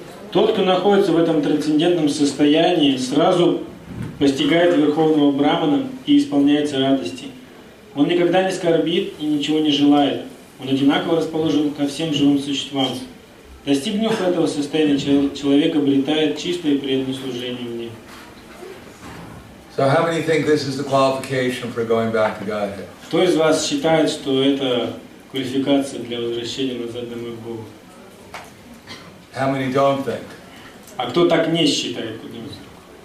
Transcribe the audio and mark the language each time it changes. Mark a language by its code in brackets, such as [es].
[ru] Тот, кто находится в этом трансцендентном состоянии, сразу постигает верховного брахмана и исполняется радости. Он никогда не скорбит и ничего не желает. Он одинаково расположен ко всем живым существам. Достигнув этого состояния, человек обретает чистое и преданное служение мне. [en] So how many think this is the qualification for going back to Godhead? [ru] Кто из вас считает, что это квалификация для возвращения назад домой к Богу? [en] How many don't think? [ru] А кто так не считает, поднимите руку?